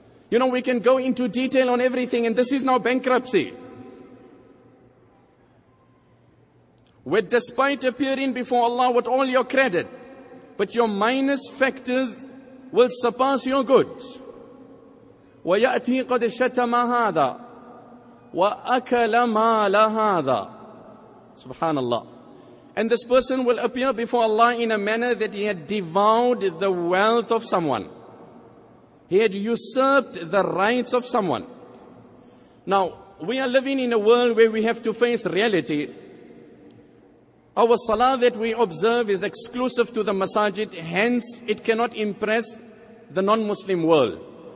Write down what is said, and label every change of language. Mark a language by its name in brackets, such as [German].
[English] You know, we can go into detail on everything, and this is now bankruptcy. Where despite appearing before Allah with all your credit, but your minus factors will surpass your good. [Arabic] وَيَأْتِي قَدْ شَتَمَ هَذَا وَأَكَلَ مَا لَهَذَا Subhanallah. [English] And this person will appear before Allah in a manner that he had devoured the wealth of someone. He had usurped the rights of someone. Now, we are living in a world where we have to face reality. Our salah that we observe is exclusive to the masajid, hence it cannot impress the non-Muslim world.